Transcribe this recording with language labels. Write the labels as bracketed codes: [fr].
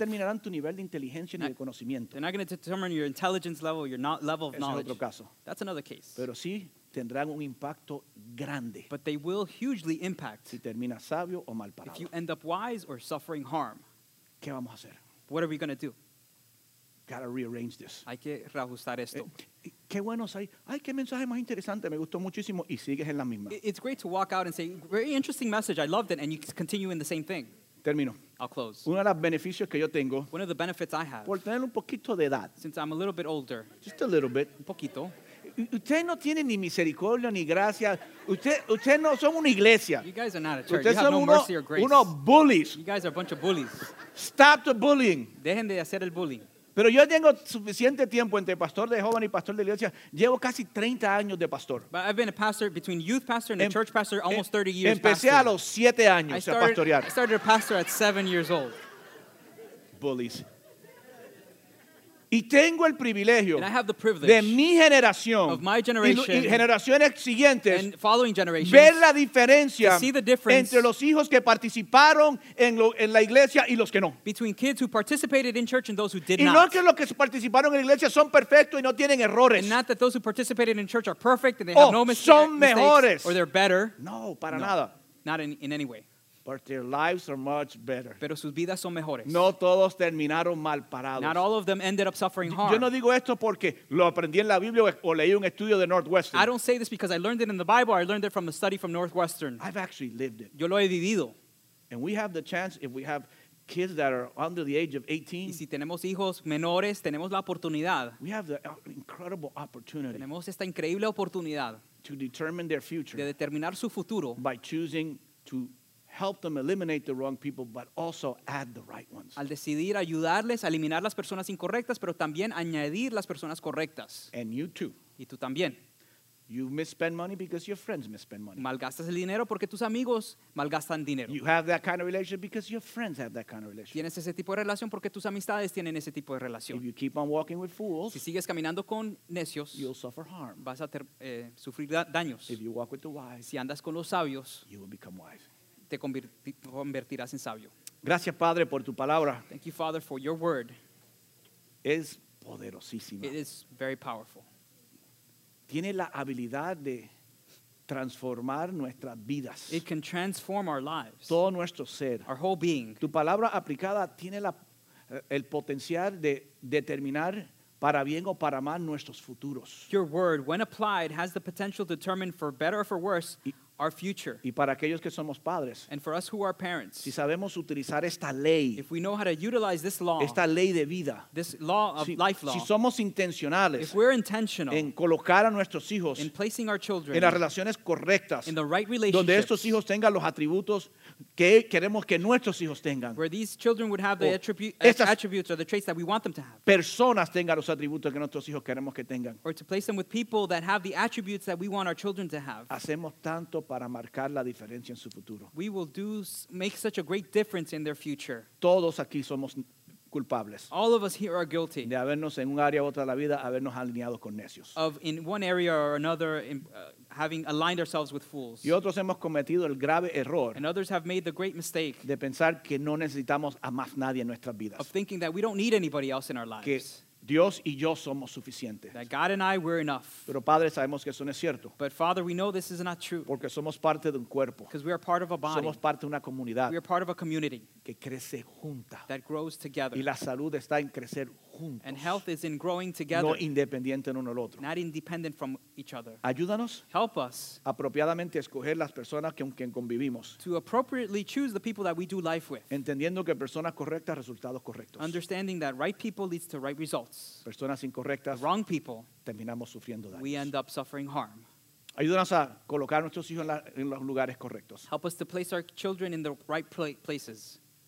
[es] No determinarán tu nivel de inteligencia ni de conocimiento. [en] They're not going to determine your intelligence level, your not level of [es] Ese [en] knowledge. [es] Es otro caso. [en] That's another case. [es] Pero sí tendrán un impacto grande. [en] But they will hugely impact. [es] Si terminas sabio o mal parado. [en] If you end up wise or suffering harm. [es] ¿Qué vamos a hacer? [en] What are we going to do? Gotta rearrange this. [es] Hay que reajustar esto. Qué bueno, ay, qué mensaje más interesante, me gustó muchísimo y sigues en la misma. [en] It's great to walk out and say, very interesting message, I loved it, and you continue in the same thing. [es] Termino. [en] I'll close. [es] Uno de los beneficios que yo tengo, [en] one of the benefits I have, [es] por tener un poquito de edad, [en] since I'm a little bit older, just a little bit, [es] un poquito, usted no tiene ni misericordia ni gracia. Usted no son una iglesia. [en] You guys are not a church. Ustedes you have no mercy or grace. [es] Uno bullies. [en] You guys are a bunch of bullies. Stop the bullying. [es] Dejen de hacer el bullying. Pero yo tengo suficiente tiempo entre pastor de joven y pastor de iglesia. Llevo casi 30 años de pastor. [en] But I've been a pastor between youth pastor and a church pastor almost 30 years. [es] Empecé pastor. A los 7 años [en] started, [es] a pastorear. [en] I started a pastor at 7 years old. [es] Bullies. Y tengo el privilegio [en] and I have the privilege [es] de mi generación [en] of my generation [es] y generaciones siguientes [en] and following generations [es] ver la diferencia [en] to see the difference [es] entre los hijos que participaron en la iglesia y los que no. [en] Between kids who participated in church and those who did [es] y [en] not. [es] Y no que los que participaron en la iglesia son perfectos y no tienen errores. [en] And not that those who participated in church are perfect and they have no mistakes. [es] Son mejores. [en] Or they're better. [es] No, para nada. [en] Not in any way. But their lives are much better. [es] Pero sus vidas son mejores. No todos terminaron mal parados. [en] Not all of them ended up suffering harm. [es] Yo no digo esto porque lo aprendí en la Biblia o leí un estudio de Northwestern. [en] I don't say this because I learned it in the Bible or I learned it from a study from Northwestern. I've actually lived it. [es] Yo lo he vivido. [en] And we have the chance if we have kids that are under the age of 18. [es] Y si tenemos hijos menores, tenemos la oportunidad. [en] We have the incredible opportunity. [es] Tenemos esta increíble oportunidad. [en] To determine their future. [es] De determinar su futuro. [en] By choosing to help them eliminate the wrong people, but also add the right ones. [es] Al decidir ayudarles a eliminar las personas incorrectas, pero también añadir las personas correctas. [en] And you too. [es] Y tú también. [en] You misspend money because your friends misspend money. [es] Malgastas el dinero porque tus amigos malgastan dinero. [en] You have that kind of relationship because your friends have that kind of relationship. [es] Tienes ese tipo de relación porque tus amistades tienen ese tipo de relación. [en] If you keep on walking with fools, [es] si sigues caminando con necios, [en] you'll suffer harm. [es] Vas a sufrir daños. [en] If you walk with the wise, [es] si andas con los sabios, [en] you will become wise. [es] Te convertirás en sabio. Gracias, Padre, por tu palabra. [en] Thank you, Father, for your word. [es] Es poderosísima. [en] It is very powerful. [es] Tiene la habilidad de transformar nuestras vidas. [en] It can transform our lives. [es] Todo nuestro ser. [en] Our whole being. [es] Tu palabra aplicada tiene el potencial de determinar para bien o para mal nuestros futuros. [en] Your word, when applied, has the potential to determine for better or for worse our future. [es] Y para aquellos que somos padres, [en] and for us who are parents, [es] si sabemos utilizar esta ley, [en] if we know how to utilize this law, [es] esta ley de vida, [en] this law of life law, [es] si somos intencionales, [en] if we're intentional, [es] en colocar a nuestros hijos, [en] in placing our children, [es] en las relaciones correctas, [en] in the right relationships, [es] donde estos hijos tengan los atributos que queremos que nuestros hijos tengan, [en] where these children would have the attributes or the traits that we want them to have, [es] personas tengan los atributos que nuestros hijos queremos que tengan, [en] or to place them with people that have the attributes that we want our children to have, [es] hacemos tanto para marcar la diferencia en su futuro. [en] We will make such a great difference in their future. [es] Todos aquí somos culpables. [en] All of us here are guilty. [es] De habernos en un área u otra de la vida habernos alineado con necios. [en] Of in one area or another in, having aligned ourselves with fools. [es] Y otros hemos cometido el grave error. [en] And others have made the great mistake. [es] De pensar que no necesitamos a más nadie en nuestras vidas. [en] Of thinking that we don't need anybody else in our lives. [es] Que Dios y yo somos suficientes. [en] That God and I, we're enough. [es] Pero Padre, sabemos que eso no es cierto. [en] But Father, we know this is not true. [es] Porque somos parte de un cuerpo. [en] Because we are part of a body. [es] Somos parte de una comunidad. [en] We are part of a community. [es] Que crece junta. [en] That grows together. [es] Y la salud está en crecer juntos. [en] And health is in growing together. [es] No independiente en uno al otro. [en] Not independent from each other. [es] Ayúdanos. [en] Help us. [es] Apropiadamente escoger las personas con quien convivimos. [en] To appropriately choose the people that we do life with. [es] Entendiendo que personas correctas, resultados correctos. [en] Understanding that right people leads to right results. [es] Personas incorrectas. [en] Wrong people. [es] Terminamos sufriendo daños. [en] We end up suffering harm. [es] Ayúdanos a colocar a nuestros hijos en los lugares correctos. [en] Help us to place our children in the right places.